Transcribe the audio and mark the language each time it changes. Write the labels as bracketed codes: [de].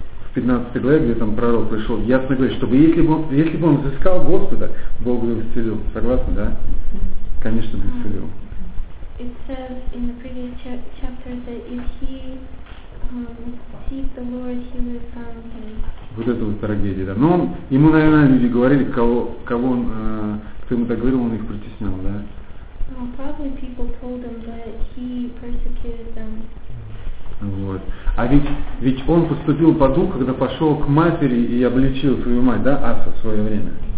[ru] В 15 главе, где там пророк пришел, ясно говорит, чтобы если бы он взыскал Господа, Бог бы его исцелил. Согласны, да? Конечно, бы исцелил. [en] It says in the previous chapter that if he seek the Lord, he will find him. [ru] Вот это вот трагедия, да. Но ему, наверное, люди говорили, кого он, кто ему так говорил, он их притеснял, да? [en] Probably people told him that he persecuted them. [ru] Вот. А ведь он поступил по духу, когда пошел к матери и обличил свою мать, да, Аса в свое время.